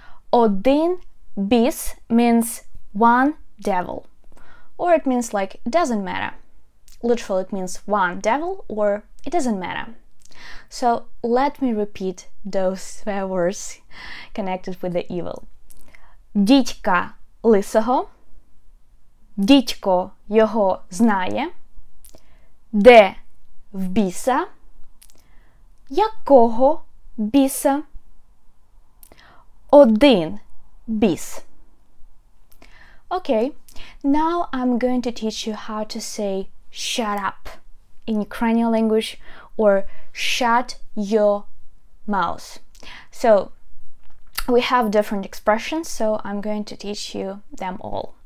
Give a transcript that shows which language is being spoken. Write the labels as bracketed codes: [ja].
[uk] Один біс [en] means one devil. Or it means like, it doesn't matter. Literally, it means one devil or it doesn't matter. So, let me repeat those swear words connected with the evil. [uk] Дідька лисого. Дідько його знає, де в біса, якого біса, один біс. [en] Okay, now I'm going to teach you how to say shut up in Ukrainian language or shut your mouth. So, we have different expressions, so I'm going to teach you them all.